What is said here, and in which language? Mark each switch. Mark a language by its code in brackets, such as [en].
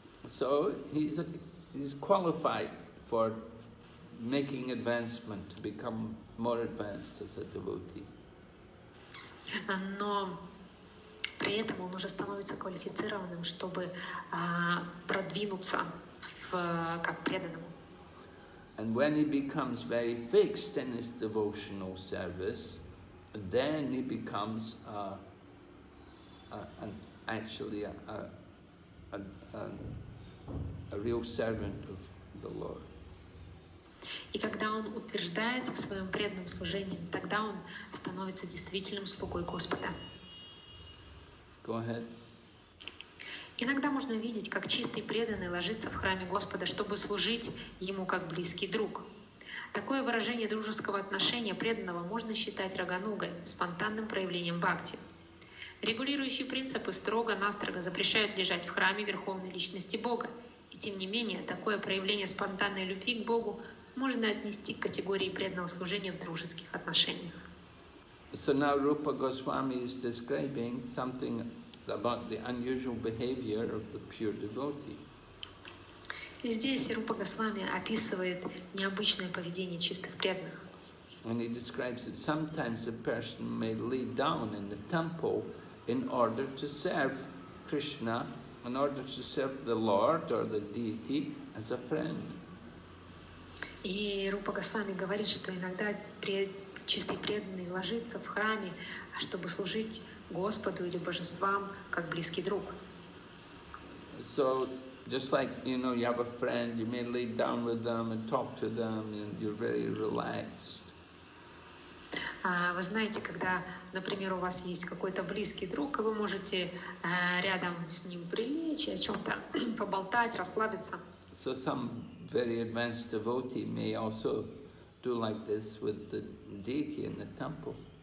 [en] So he's qualified for making advancement, to become more advanced as a devotee. [ru] Но при этом он уже становится квалифицированным, чтобы продвинуться в как преданному. [en] And when he becomes very fixed in his devotional service, then he becomes a, a, an actually a real servant of the Lord. [ru] И когда он утверждается в своем преданном служении, тогда он становится действительным слугой Господа. [en] Go ahead. [ru] Иногда можно видеть, как чистый преданный ложится в храме Господа, чтобы служить ему как близкий друг. Такое выражение дружеского отношения преданного можно считать раганугой, спонтанным проявлением бхакти. Регулирующие принципы строго-настрого запрещают лежать в храме Верховной Личности Бога. И тем не менее, такое проявление спонтанной любви к Богу можно отнести к категории преданного служения в дружеских отношениях. [en] So now Rupa Goswami is describing something about the unusual behavior of the pure devotee. [ru] И здесь Рупа Госвами описывает необычное поведение чистых преданных. [en] And he describes that sometimes a person may lay down in the temple in order to serve Krishna, in order to serve the Lord or the deity as a friend. [ru] И Рупа Госвами говорит, что иногда чистый преданный ложится в храме, чтобы служить Господу или божествам как близкий друг. [en] So, just like, you know, you have a friend, you may lay down with them and talk to them, and you're very relaxed. [ru] Вы знаете, когда, например, у вас есть какой-то близкий друг, и вы можете рядом с ним прилечь, о чем-то поболтать, расслабиться. [en] So some very advanced devotee may also do like this with the deity in the temple.